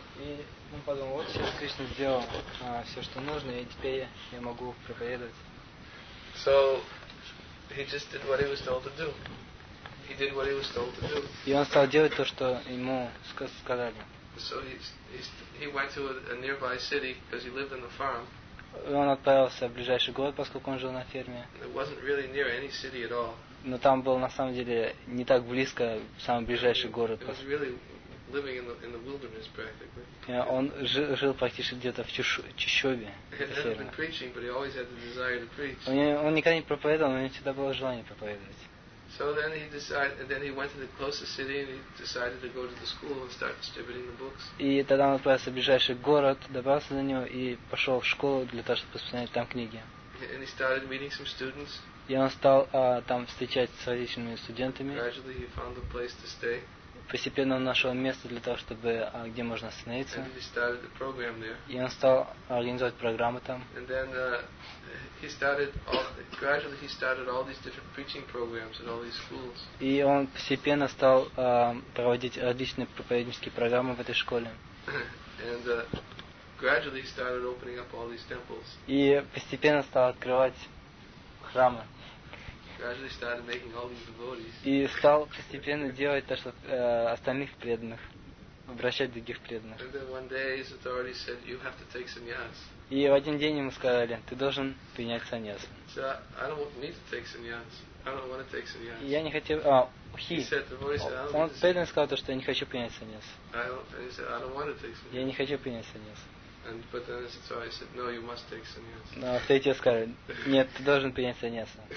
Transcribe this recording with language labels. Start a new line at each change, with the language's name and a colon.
Russian: И он подумал: вот сейчас Кришна сделал все, что нужно, и теперь я могу проповедовать.
English: So he just did what he was told to do. He did what he was told to do.
Russian: И он стал делать то, что ему сказали.
English: So he went to a nearby city because he lived on the farm.
Russian: И он отправился в ближайший город, поскольку он жил на ферме.
English: It wasn't really near any city at all.
Russian: Но там был на самом деле не так близко самый ближайший город.
English: It was really living in the wilderness practically.
Russian: Он жил практически где-то в чащобе. Он никогда не проповедовал, но у него всегда было желание проповедовать.
English: So then he decided, and then he went to the closest city and he decided to go to the school and start distributing the books.
Russian: И тогда он отправился в ближайший город, добрался до него и пошел в школу для того, чтобы распространять там книги.
English: And he started meeting some students.
Russian: И он стал там встречаться с различными студентами.
English: Gradually he found a place to stay.
Russian: постепенно он нашел место для того, чтобы где можно остановиться.
English: And he started the program there.
Russian: И он стал организовать программы там.
English: And then he started all, gradually he started all these different preaching programs at all these schools.
Russian: И он постепенно стал проводить различные проповеднические программы в этой школе.
English: And gradually he started opening up all these temples.
Russian: И постепенно стал открывать храмы.
English: Gradually started making all these devotees.
Russian: И стал постепенно делать то, что остальных преданных, обращать других преданных.
English: And then one day his authority said, "You have to take sannyas."
Russian: И в один день ему сказали, ты должен принять саньяс.
English: So I don't want me to take sannyas. I don't want to take sannyas.
Russian: Я не хотел. Он преданный сказал то, что я не хочу принять саньяс. Я не хочу принять саньяс.
English: And but then his authority said, "No, you must take sannyas."
Russian: Но третий сказал, нет, ты должен принять саньяс.